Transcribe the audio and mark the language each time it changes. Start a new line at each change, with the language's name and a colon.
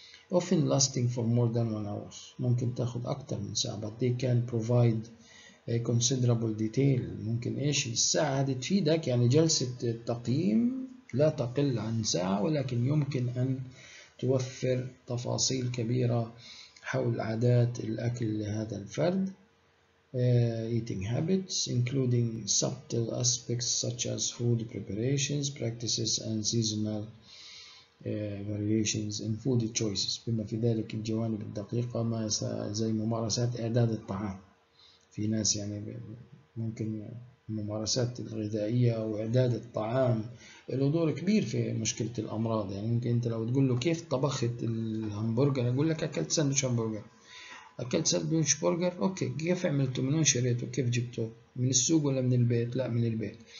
English: Often lasting for more than 1 hour.
Arabic: ممكن تأخذ أكثر من ساعة.
English: But they can provide a considerable detail.
Arabic: ممكن إيش الساعة هذه تفيدك، يعني جلسة التقييم لا تقل عن ساعة، ولكن يمكن أن توفر تفاصيل كبيرة حول عادات الأكل لهذا الفرد.
English: Eating habits including subtle aspects such as food preparations practices and seasonal variations in food choices.
Arabic: بما في ذلك الجوانب الدقيقة ما زي ممارسات إعداد الطعام. في ناس يعني ممكن الممارسات الغذائية وإعداد الطعام له دور كبير في مشكلة الأمراض. يعني ممكن أنت لو تقول له كيف طبخت الهمبرجر أقول لك أكلت ساندوتش همبرجر، أكلت ساندويتش برجر، أوكي كيف عملته، من وين شريته، كيف جبته، من السوق ولا من البيت؟ لا من البيت.